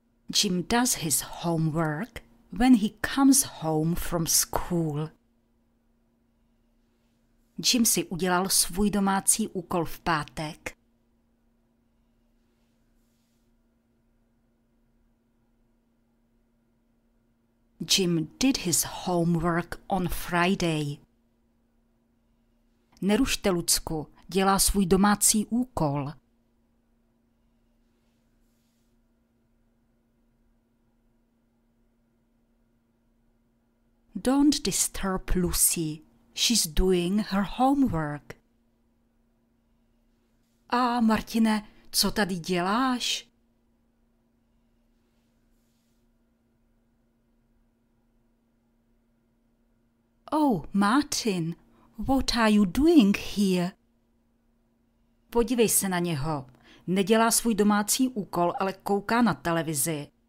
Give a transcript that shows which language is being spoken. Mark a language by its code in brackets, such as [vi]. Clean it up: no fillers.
[en] Jim does his homework when he comes home from school. [cs] Jim si udělal svůj domácí úkol v pátek. [en] Jim did his homework on Friday. [cs] Nerušte, Lucku, dělá svůj domácí úkol. [en] Don't disturb Lucy. She's doing her homework. [cs] A Martine, co tady děláš? [en] Oh, Martin, what are you doing here? [cs] Podívej se na něho. Nedělá svůj domácí úkol, ale kouká na televizi.